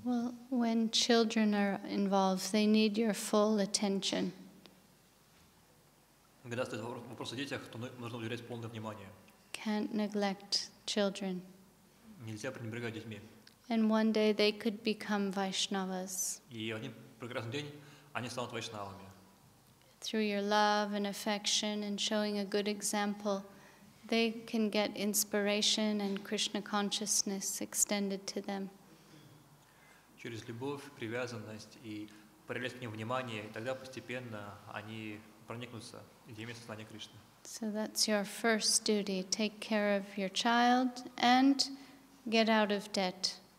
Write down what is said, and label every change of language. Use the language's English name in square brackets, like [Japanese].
[English] Well, when children are involved, they need your full attention. [Russian] Когда стоит вопрос о детях, то нужно уделять полное внимание. [English] Can't neglect children. [Russian] Нельзя пренебрегать детьми. [English] And one day they could become Vaishnavas. [Russian] И в один прекрасный день они станут вайшнавами. [English] Through your love and affection and showing a good example, they can get inspiration and Krishna consciousness extended to them. [Russian] Через любовь, привязанность и проявлять к ним внимание, тогда постепенно они проникнутся идеями сознания Кришны. [English] So that's your first duty: take care of your child and get out of debt.